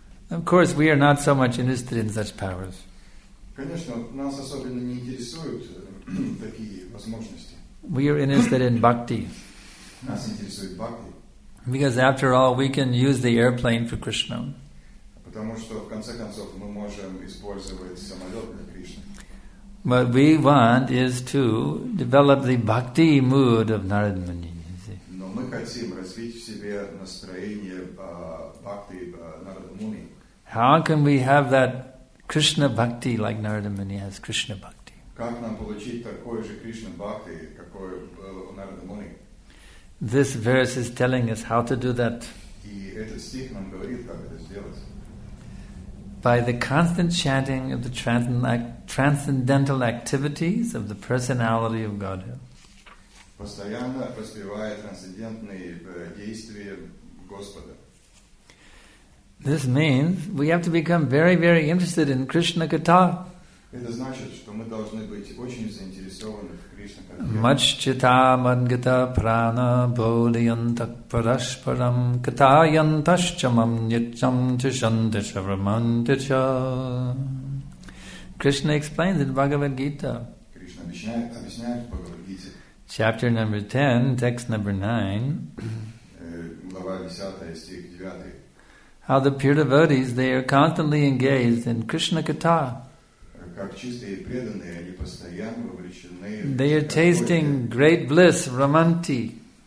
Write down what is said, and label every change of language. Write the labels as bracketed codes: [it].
[en] Of course, we are not so much interested in such powers. [ru] Конечно, нас особенно не интересуют такие возможности. [en] We are interested in bhakti. [ru] Нас интересует бхакти. [en] Because after all, we can use the airplane for Krishna. [ru] Потому что в конце концов мы можем использовать самолет для Кришны. [en] What we want is to develop the bhakti mood of Narada Muni. [ru] Но мы хотим развить в себе настроение бхакти Нарада Муни. [en] How can we have that Krishna bhakti like Narada Muni has Krishna bhakti? [ru] Как нам получить такое же Кришна бхакти, какое у Нарада Муни? [en] This verse is telling us how to do that. [ru] И этот стих нам говорит, как это сделать. [en] By the constant chanting of the transcendental activities of the personality of Godhead. [ru] Постоянно воспевая трансцендентные действия Господа. [en] This means we have to become very, very interested in Krishna Katha. [ru] Это значит, что мы должны быть очень заинтересованы в Кришна Катхе. [sa] Мач чита мангита прана бодиянтак парашпарам катаянташчамам ничам тишандешавраманджа. [en] Krishna explains in Bhagavad Gita. [ru] Кришна объясняет в Бхагавад Гите. [en] Chapter number 10, text number 9. [ru] Глава 10, стих 9. [en] How the pure devotees, they are constantly engaged in Krishna Katha. [ru] Как чистые преданные, они постоянно вовлечены. [en] They are tasting какой-то... great bliss, Раманти.